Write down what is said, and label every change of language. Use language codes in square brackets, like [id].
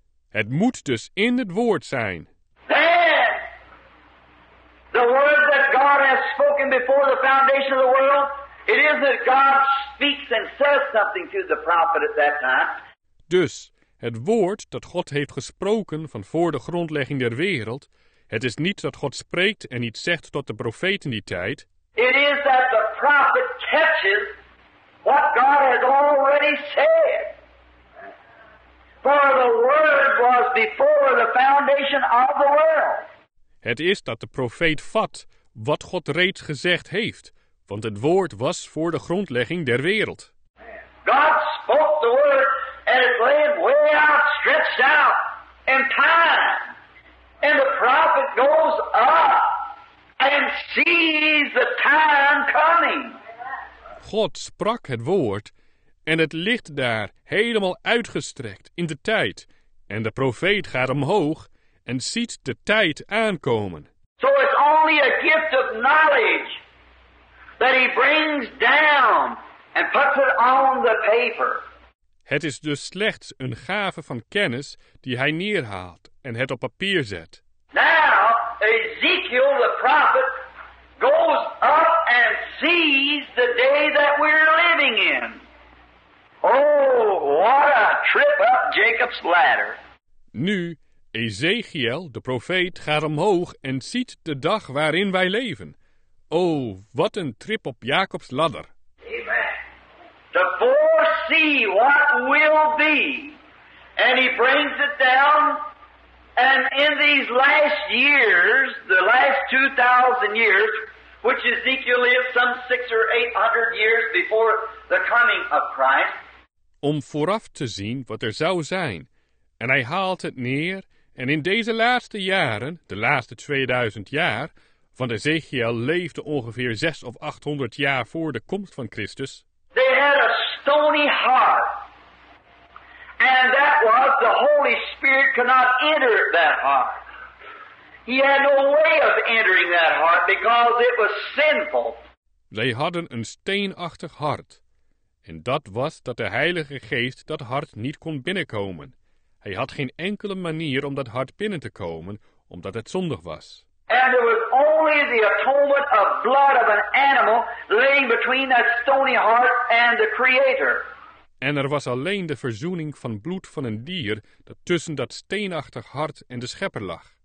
[nl] Het moet dus in het woord zijn. [en] Then, the word that God has spoken before the foundation of the world, it is that God speaks and says something to the prophet at that time. [nl] Dus, het woord dat God heeft gesproken van voor de grondlegging der wereld, het is niet dat God spreekt en iets zegt tot de profeet in die tijd. [en] It is that the prophet catches what God has already said. For the word was before the foundation of the world. [nl] Het is dat de profeet vat wat God reeds gezegd heeft, want het woord was voor de grondlegging der wereld. [en] God spoke the word and it lay way out, stretched out in time. And the prophet goes up and sees the time coming. [nl] God sprak het woord en het ligt daar helemaal uitgestrekt in de tijd. En de profeet gaat omhoog en ziet de tijd aankomen. [en] So it's only a gift of knowledge that he brings down and puts it on the paper. [nl] Het is dus slechts een gave van kennis die hij neerhaalt en het op papier zet. [en] Now Ezekiel the prophet goes up and sees the day that we're living in. Oh, what a trip up Jacob's ladder. [nl] Nu, Ezekiel, de profeet, gaat omhoog en ziet de dag waarin wij leven. Oh, wat een trip op Jacob's ladder. [en] Amen. To foresee what will be. And he brings it down. And in these last years, the last 2,000 years, which Ezekiel lived some 600 or 800 years before the coming of Christ. [nl] Om vooraf te zien wat er zou zijn. En hij haalt het neer En in deze laatste jaren, de laatste 2000 jaar, want Ezekiel leefde ongeveer 600 of 800 jaar voor de komst van Christus. [en] They had a stony heart. And that was the Holy Spirit could not enter that heart. He had no way of entering that heart because it was sinful. [nl] Zij hadden een steenachtig hart. En dat was dat de Heilige Geest dat hart niet kon binnenkomen. Hij had geen enkele manier om dat hart binnen te komen, omdat het zondig was. [en] And there was only the atonement of blood of an animal laying between that stony heart and the Creator. [nl] En er was alleen de verzoening van bloed van een dier dat tussen dat steenachtig hart en de Schepper lag.